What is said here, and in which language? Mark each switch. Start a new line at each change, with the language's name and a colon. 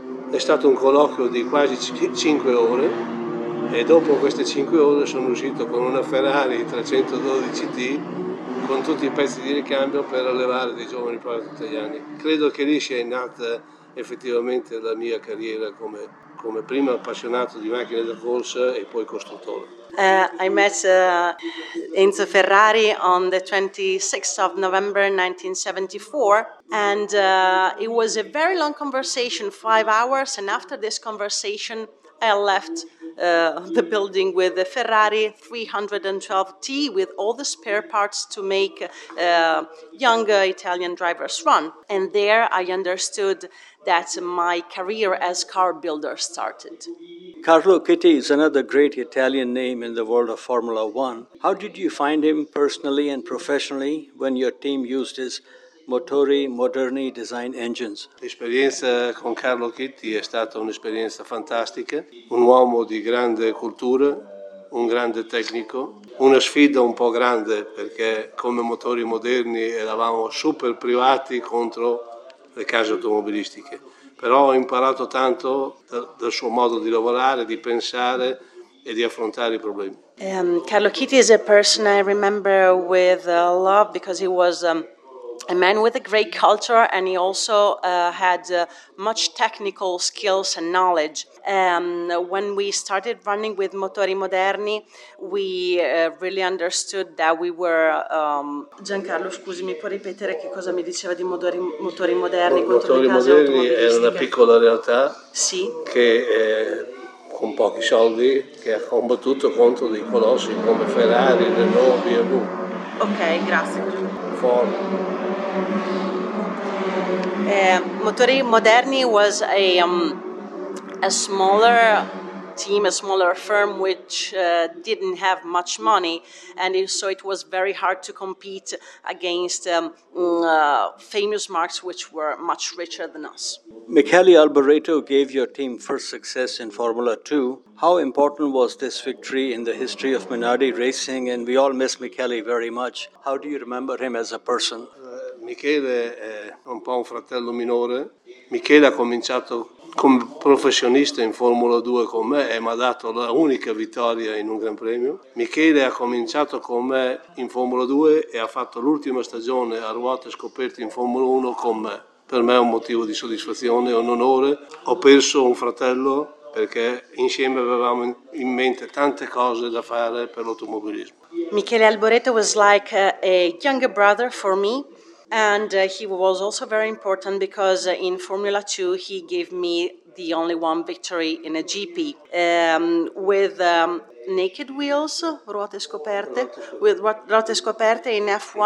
Italian: È stato un colloquio di quasi 5 ore e dopo queste 5 ore sono uscito con una Ferrari 312T con tutti i pezzi di ricambio per allevare dei giovani piloti italiani. Credo che lì sia nata effettivamente la mia carriera come prima appassionato di macchine da corsa e poi costruttore.
English: I met Enzo Ferrari on the 26th of November 1974, and it was a very long conversation, 5 hours, and after this conversation I left the building with the Ferrari 312T with all the spare parts to make younger Italian drivers run. And there I understood that my career as car builder started. Carlo Chitti is another great Italian name in the world of Formula One. How did you find him personally and professionally when your team used his Motori Moderni Design Engines?
Italian: L'esperienza con Carlo Chitti è stata un'esperienza fantastica. Un uomo di grande cultura, un grande tecnico, una sfida un po' grande perché come Motori Moderni eravamo super privati contro le case automobilistiche. Però ho imparato tanto dal suo modo di lavorare, di pensare e di affrontare i problemi.
English: Carlo Chitti is a person I remember with love because he was a man with a great culture, and he also had much technical skills and knowledge. When we started running with Motori Moderni, we really understood that we were...
Italian: Giancarlo, scusi, mi puoi ripetere che cosa mi diceva di Motori Moderni? Motori Moderni è una piccola realtà, sì, che con pochi soldi che ha combattuto contro dei colossi come Ferrari, Renault, BMW. Ok, grazie. Ford.
English: Motori Moderni was a smaller team, a smaller firm, which didn't have much money, and so it was very hard to compete against famous marks which were much richer than us. Michele Alboreto gave your team first success in Formula 2. How important was this victory in the history of Minardi Racing? And we all miss Michele very much. How do you remember him as a person?
Italian: Michele è un po' un fratello minore. Michele ha cominciato come professionista in Formula 2 con me e mi ha dato la unica vittoria in un Gran Premio. Michele ha cominciato con me in Formula 2 e ha fatto l'ultima stagione a ruote scoperte in Formula 1 con me. Per me è un motivo di soddisfazione, un onore. Ho perso un fratello perché insieme avevamo in mente tante cose da fare per l'automobilismo.
English: Michele Alboreto was like a younger brother for me. And he was also very important because in Formula 2 he gave me the only one victory in a GP with naked wheels,
Italian: ruote scoperte,
English: with ruote scoperte in F1.